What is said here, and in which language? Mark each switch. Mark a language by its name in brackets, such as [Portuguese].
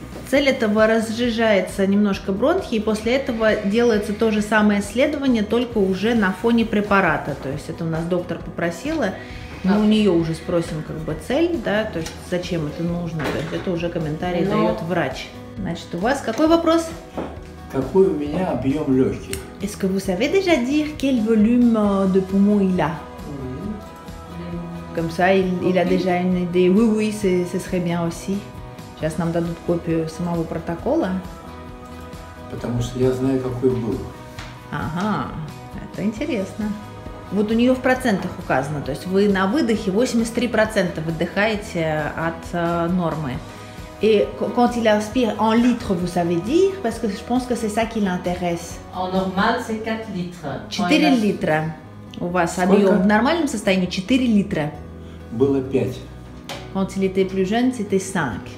[Russian] Цель этого разжижается немножко бронхи, и после этого делается то же самое исследование, только уже на фоне препарата. То есть это у нас доктор попросила, мы у нее уже спросим как бы цель, да, то есть зачем это нужно, то есть это уже комментарий дает врач. Значит, у вас какой вопрос? Какой у меня объем легких? [French] Est-ce que vous savez déjà dire quel volume de poumon il a? Comme ça, il a déjà une idée. Oui, oui, ce serait bien aussi. [Russian] Сейчас нам дадут копию самого протокола. Потому что я знаю, какой был. Ага, это интересно. Вот у нее в процентах указано, то есть вы на выдохе 83% выдыхаете от нормы. [French] Et quand il aspire en litres, vous savez dire? Parce que je pense que c'est ça qui l'intéresse. En normal, c'est 4 litres. [Russian] 4 литра. У вас объем в нормальном состоянии 4 литра. Было 5. [French] Quand il était plus jeune, c'était 5.